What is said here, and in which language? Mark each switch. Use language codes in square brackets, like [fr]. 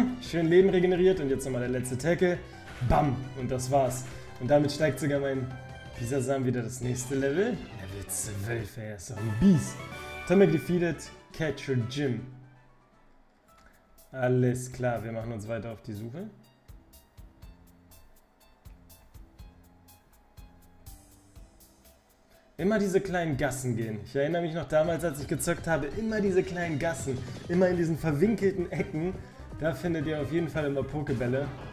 [de] Schön Leben regeneriert und jetzt nochmal der letzte Tackle. Bam! Und das war's. Und damit steigt sogar mein Bisasam wieder das nächste Level. Level 12, ey, ist doch ein Biest. [en] Tommy defeated Catcher Jim. [de] Alles klar, wir machen uns weiter auf die Suche. Immer diese kleinen Gassen gehen. Ich erinnere mich noch damals, als ich gezockt habe, immer diese kleinen Gassen. Immer in diesen verwinkelten Ecken. Da findet ihr auf jeden Fall immer Pokebälle.